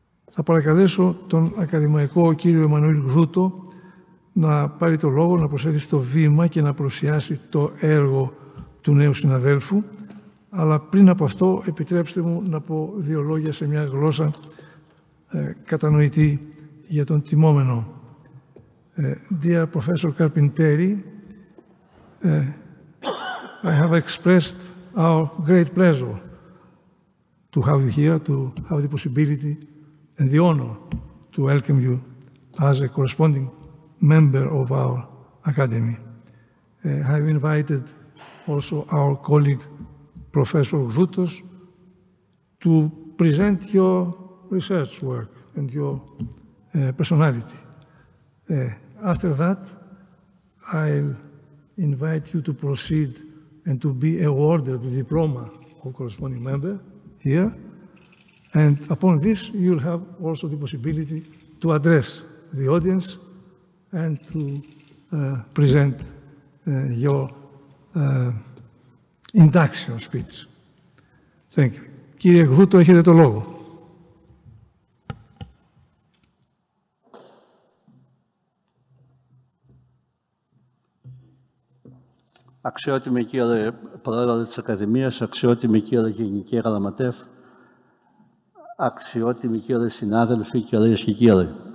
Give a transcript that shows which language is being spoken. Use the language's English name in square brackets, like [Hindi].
[Greek] Θα παρακαλέσω τον ακαδημαϊκό κύριο Εμμανουήλ Γδούτο να πάρει το λόγο, να προσέλθει στο βήμα και να προσιάσει το έργο του νέου συναδέλφου. Αλλά πριν από αυτό, επιτρέψτε μου να πω δύο λόγια σε μια γλώσσα κατανοητή για τον τιμόμενο. [English] Dear Professor Carpentieri, I have expressed our great pleasure to have you here, to have the possibility and the honor to welcome you as a corresponding member of our academy. I have invited also our colleague Professor Gdoutos to present your research work and your personality. After that, I'll invite you to proceed and to be awarded the diploma of corresponding member here. And upon this, you'll have also the possibility to address the audience and to present your induction speech. Thank you. [Greek] Κύριε Γδούτο, έχετε το λόγο. Αξιότιμη κύριε Πρόεδρε της Ακαδημίας, αξιότιμη κύριε Γενική Γραμματεύ, αξιότιμη κύριε συνάδελφοι, κυρίες και κύριοι.